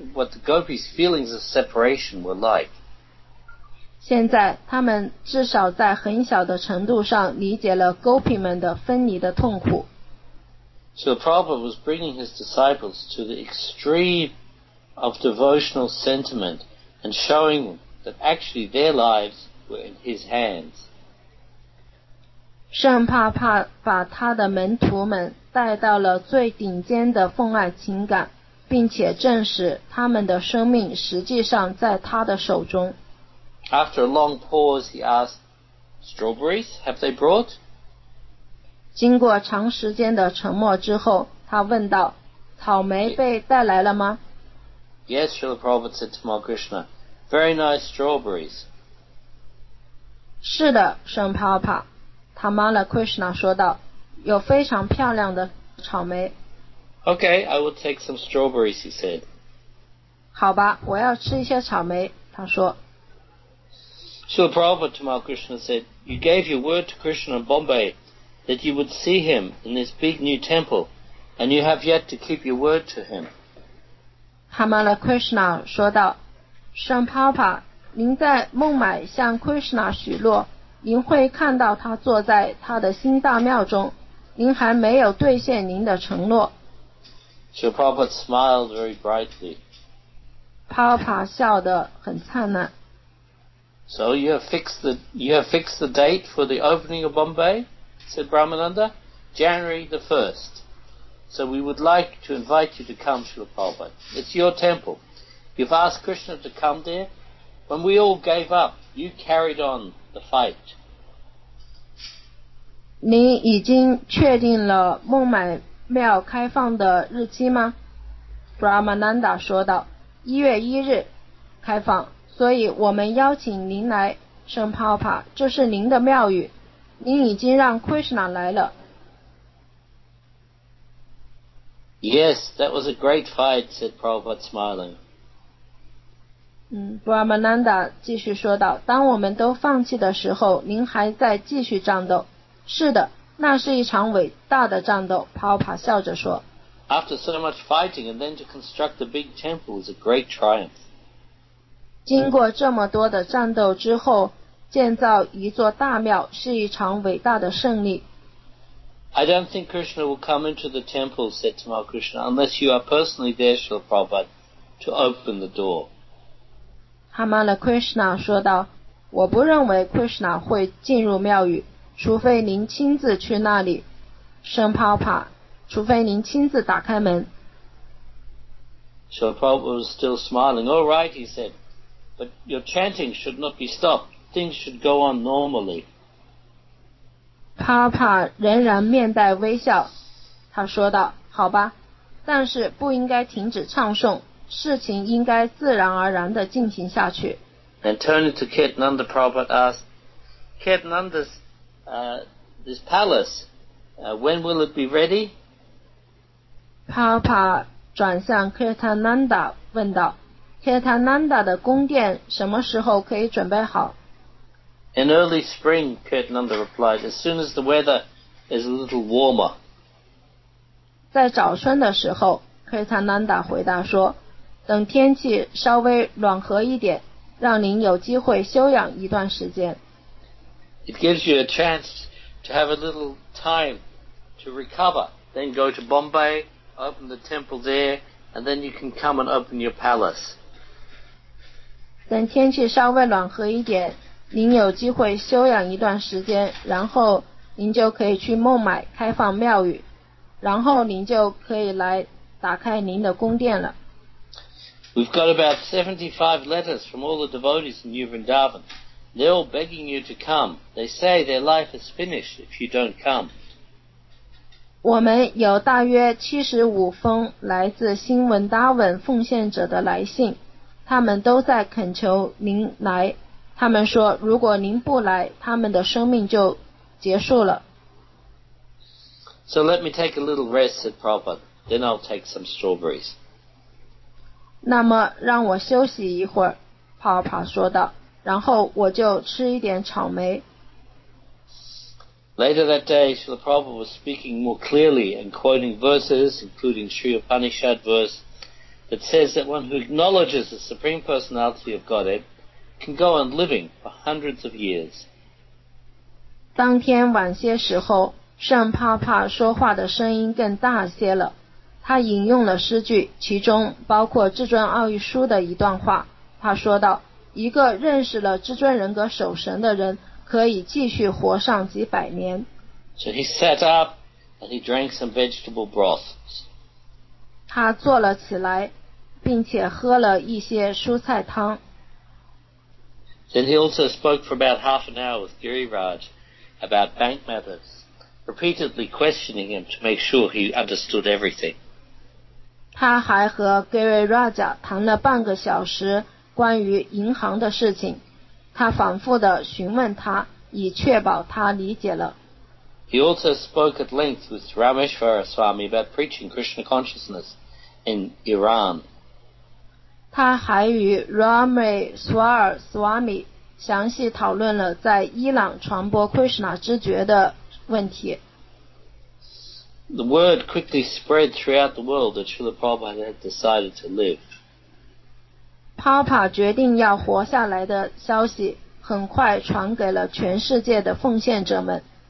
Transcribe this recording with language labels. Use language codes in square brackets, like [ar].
[en] What the gopis' feelings of separation were like. [zh] 现在他们至少在很小的程度上理解了 gopi 们的分离的痛苦。 [en] So Prabhupada was bringing his disciples to the extreme of devotional sentiment and showing them that actually their lives were in his hands. [zh] 圣帕帕把他的门徒们带到了最顶尖的奉爱情感，并且证实他们的生命实际上在他的手中。 [en] After a long pause, he asked, "Strawberries? Have they brought?" [zh] 经过长时间的沉默之后，他问道：“草莓被带来了吗？” [en] Yes, Srila Prabhupada said to Mahal Krishna, "Very nice strawberries." [zh] 是的，圣帕帕，塔玛拉 Krishna 说道。有非常漂亮的草莓。 [en] Okay, I will take some strawberries, he said. [zh] 好吧，我要吃一些草莓，他说。 [en] So Prabhupada Tamal Krishna said, You gave your word to Krishna in Bombay that you would see him in this big new temple, and you have yet to keep your word to him. [zh] Hamala Krishna 说道，圣帕帕，您在孟买向 Krishna 许诺，您会看到他坐在他的新大庙中。您还没有兑现您的承诺。 [en] So Prabhupada smiled very brightly. [zh] Prabhupada 笑得很灿烂。 [en] So you have fixed the date for the opening of Bombay, said Brahmananda, January the 1st. So we would like to invite you to come, Srila Prabhupada. It's your temple. You've asked Krishna to come there. When we all gave up, you carried on the fight. [zh] 您已经确定了孟买庙开放的日期吗？ Brahmananda 说道，一月一日开放，所以我们邀请您来，圣帕帕，这是您的庙宇，您已经让 Krishna 来了。 [en] Yes, that was a great fight, said Prabhupada smiling. [zh] Brahmananda 继续说道，当我们都放弃的时候，您还在继续战斗。是的，那是一场伟大的战斗，帕帕笑着说。 [en] After so much fighting and then to construct the big temple is a great triumph. [zh] 经过这么多的战斗之后，建造一座大庙是一场伟大的胜利。 [en] I don't think Krishna will come into the temple, said Tamal Krishna, unless you are personally there, Srila Prabhupada, to open the door. [zh] Hamala Krishna 说道，我不认为 Krishna 会进入庙宇，除非您亲自去那里。圣帕帕，除非您亲自打开门。 [en] Srila Prabhupada was still smiling. All right, he said, but your chanting should not be stopped. Things should go on normally. [zh] 帕帕仍然面带微笑，他说道，好吧，但是不应该停止唱诵，事情应该自然而然地进行下去。 [en] And turning to Kirtananda, Prabhupada asked, Kirtananda's, this palace, when will it be ready? [zh] 帕帕转向 Kirtananda 问道， Kirtananda 的宫殿什么时候可以准备好？ [en] In early spring, Kirtananda replied, as soon as the weather is a little warmer. [zh] 在早春的时候， Kirtananda 回答说，等天气稍微暖和一点，让您有机会休养一段时间。 [en] It gives you a chance to have a little time to recover, then go to Bombay, open the temple there, and then you can come and open your palace. [zh] 等天气稍微暖和一点，您有机会休养一段时间，然后您就可以去孟买开放庙宇，然后您就可以来打开您的宫殿了。 [en] We've got about 75 letters from all the devotees in New Vrindavan. They're all begging you to come. They say their life is finished if you don't come. [zh] 我们有大约75封来自新文达文奉献者的来信，他们都在恳求您来。他们说，如果您不来，他们的生命就结束了。 [en] So let me take a little rest, said Prabhupada. Then I'll take some strawberries. [zh] 那么让我休息一会儿，帕帕说道，然后我就吃一点草莓。 [en] Later that day, Srila Prabhupada was speaking more clearly and quoting verses, including Sri Upanishad verse, that says that one who acknowledges the Supreme Personality of Godhead,can go on living for hundreds of years. [zh] 当天晚些时候，圣帕帕说话的声音更大些了。他引用了诗句，其中包括至尊奥义书的一段话。他说道，一个认识了至尊人格守神的人可以继续活上几百年。 [en] So he sat up and he drank some vegetable broth. [zh] 他坐了起来，并且喝了一些蔬菜汤。 [en] Then he also spoke for about half an hour with Giriraj about bank matters, repeatedly questioning him to make sure he understood everything. [zh] 他还和 Giriraj 谈了半个小时关于银行的事情，他反复地询问他，以确保他理解了。 [en] He also spoke at length with Rameshwara Swami about preaching Krishna consciousness in Iran. [zh] 他还与 Rameshwar Swami 详细讨论了在伊朗传播 Krishna 知觉的问题。 [en] The word quickly spread throughout the world that Srila Prabhupada had decided to live. [zh] Papa 决定要活下来的消息很快传给了全世界的奉献者们。